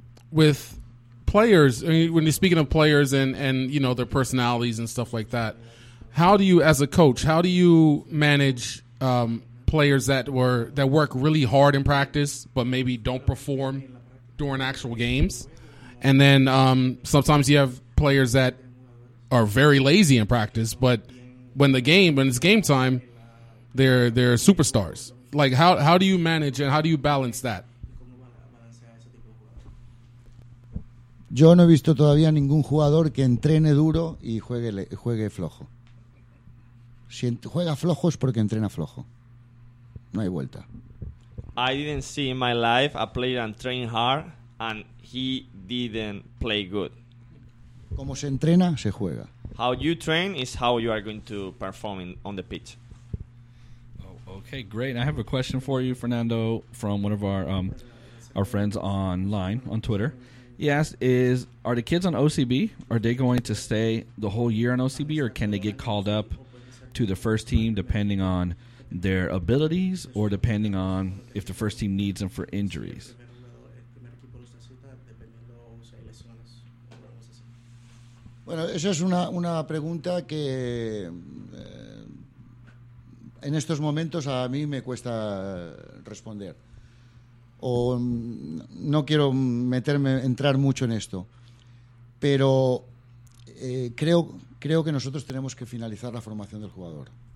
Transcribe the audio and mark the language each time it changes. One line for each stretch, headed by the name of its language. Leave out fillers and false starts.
English: With players, I mean, when you're speaking of players and you know their personalities and stuff like that, how do you, as a coach, how do you manage players that work really hard in practice but maybe don't perform during actual games? And then sometimes you have players that are very lazy in practice, but when it's game time, they're superstars. Like, how do you manage and how do you balance that?
Spanish: Yo no he visto todavía ningún jugador que entrene duro y juegue flojo. Si juega flojo es porque entrena flojo. No hay vuelta.
English: I didn't see in my life a player and train hard and he didn't play good.
Spanish: Como se entrena, se juega.
English: How you train is how you are going to perform on the pitch. Okay, great. I have a question for you, Fernando, from one of our friends online on Twitter. He asked, are the kids on OCB, are they going to stay the whole year on OCB, or can they get called up to the first team depending on their abilities or depending on if the first team needs them for injuries?
Spanish: Bueno, esa es una pregunta que en estos momentos a mí me cuesta responder. O no quiero entrar mucho en esto, pero creo que nosotros tenemos que finalizar la formación del jugador.